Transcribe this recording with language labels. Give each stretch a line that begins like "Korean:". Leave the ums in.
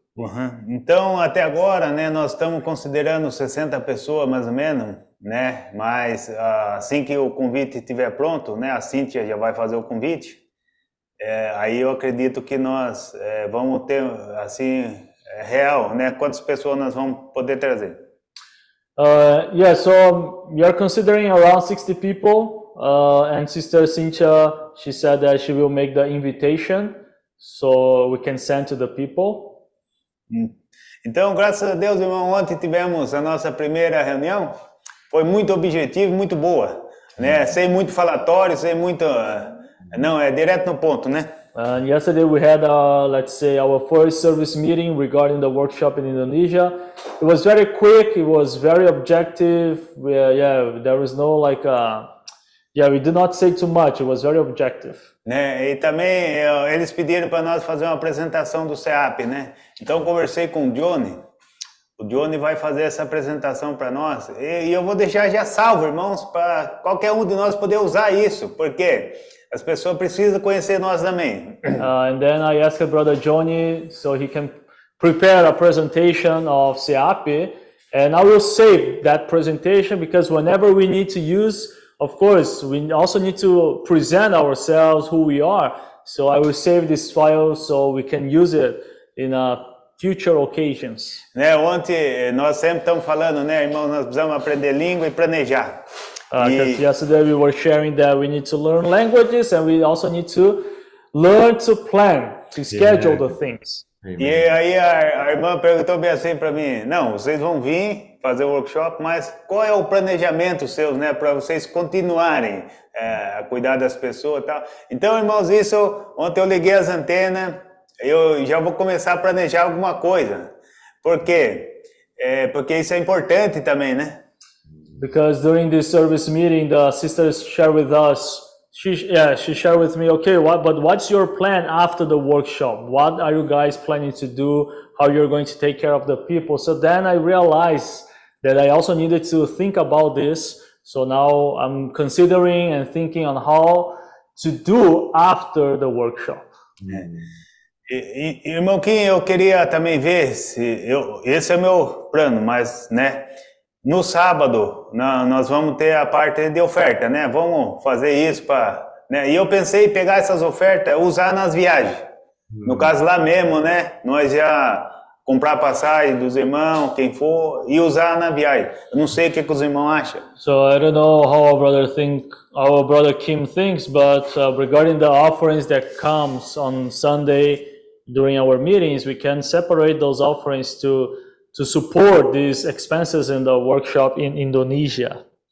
Portuguese: Uh -huh. Então, até agora, né, nós estamos considerando 60 pessoas mais ou menos, né? Mas assim que o convite estiver pronto, né, a Cynthia já vai fazer o convite. É, aí eu acredito que nós é, vamos ter assim é real, né, quantas pessoas nós vamos poder trazer.
English: Uh, yeah, so um, you're considering around 60 people. Uh, and Sister Cynthia, she said that she will make the invitation so we can send to the people. Mm.
Portuguese: Então, graças a Deus, irmão, ontem tivemos a nossa primeira reunião. Foi muito objetivo, muito boa, né? Mm. Sem muito falatório, sem muito. Uh, não, é direto no ponto, né?
English: And uh, yesterday we had, uh, let's say, our first service meeting regarding the workshop in Indonesia. It was very quick. It was very objective. We, uh, yeah, there was no like, uh,
Portuguese: E também eu, eles pediram para nós fazer uma apresentação do CEAP, né? Então eu conversei com o Johnny. O Johnny vai fazer essa apresentação para nós e, e, eu vou deixar já salvo, irmãos, para qualquer um de nós poder usar isso, porque quê? As pessoas precisam conhecer nós também.
English: Uh, and then I asked brother Johnny so he can prepare a presentation of SEAPI. And I will save that presentation because whenever we need to use, of course, we also need to present ourselves, who we are. So I will save this file so we can use it in future occasions.
Portuguese: Né, ontem nós sempre estamos falando, né, irmão, nós precisamos aprender língua e planejar. Because uh, e...
English: yesterday we were sharing that we need to learn languages and we also need to learn to plan, to schedule yeah. the things. Amen. E
Portuguese: aí a, a irmã perguntou bem assim para mim: Não, vocês vão vir fazer o workshop, mas qual é o planejamento seu, né, para vocês continuarem é, a cuidar das pessoas e tal? Então, irmãos, isso, ontem eu liguei as antenas, eu já vou começar a planejar alguma coisa. Por quê? É, porque isso é importante também, né?
English: because during this service meeting the sisters share with us she yeah she shared with me okay what but what's your plan after the workshop what are you guys planning to do how you're going to take care of the people so then i realized that i also needed to think about this so now i'm considering and thinking on how to do after the workshop yeah. Mm -hmm.
Portuguese: e, irmão Kim, eu queria também ver se eu, esse é meu plano, mas né, No sábado, na, nós vamos ter a parte de oferta, né? Vamos fazer isso para. Né? E eu pensei em pegar essas ofertas usar nas viagens. No caso lá mesmo, né? Nós já comprar a passagem dos irmãos, quem for, e usar na viagem. Eu não sei o que, é que os irmãos acham.
English: So I don't know how our brother think, our brother Kim thinks, but uh, regarding the offerings that comes on Sunday during our meetings, we can separate those offerings to to support these expenses in the workshop in Indonesia.